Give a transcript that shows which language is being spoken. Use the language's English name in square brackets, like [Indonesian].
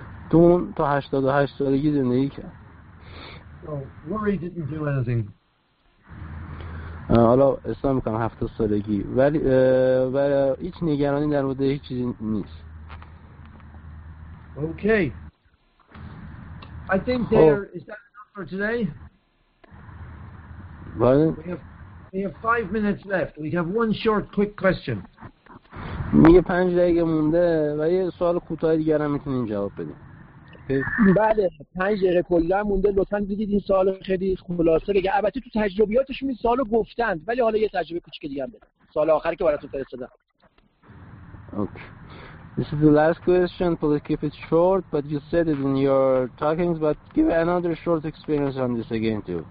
[Persian] تو اون تا 88 سالگی زندگی کرد. [English] Worry didn't do anything. [Persian] حالا اصلا میکنم 70 سالگی ولی هیچ نگرانی در مورد هیچ چیزی نیست. [English] Okay. I think there is that enough for today. Well, we have 5 minutes left. We have one short, quick question. [Persian] میگه 5 دقیقه مونده و یه سوال کوتاه دیگر هم میتونیم جواب بدیم. بله 5 دقیقه کلا مونده. لطفاً دیدید این سوال خیلی خلاصه بگه. البته تو تجربیاتشون این سوالو گفتند ولی حالا یه تجربه کوچیک دیگه هم بده. سوال آخری که براتون فرستادم. [English] Okay. This is the last question, please keep it short, but you said it in your talkings, but give another short experience on this again too.